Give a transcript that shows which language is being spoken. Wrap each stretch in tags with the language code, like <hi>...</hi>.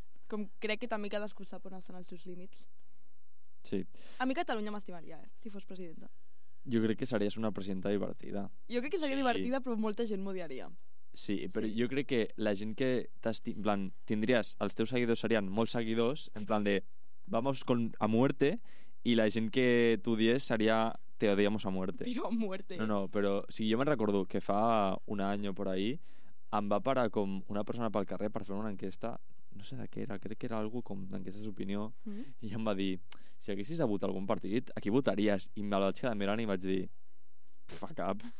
<ca>Com crec que també cadascú sap on estan els seus límits. Sí. A mi Catalunya m'estimaria, si fos presidenta. Jo crec que series una presidenta divertida. Jo crec que seria, sí, divertida, però molta gent m'odiaria. Sí, però sí, jo crec que la gent que t'estim... En plan, tindries... Els teus seguidors serien molts seguidors, en plan de...</ca> <es>Vamos con a muerte,</es> <ca>i la gent que t'odies seria...</ca> <es>Te odiamos a muerte. Pero a muerte.</es> <ca>No, no, però si sí, jo me'n recordo que fa un any</ca> <es>o por ahí</es> <ca>em va parar com una persona pel carrer per fer una enquesta, no sé de què era, crec que era algo com d'enquesta d'opinió, mm-hmm, i em va dir, si haguessis de votar algun partit, a qui votaries? I me'l vaig quedar mirant i vaig dir, fa cap.</ca>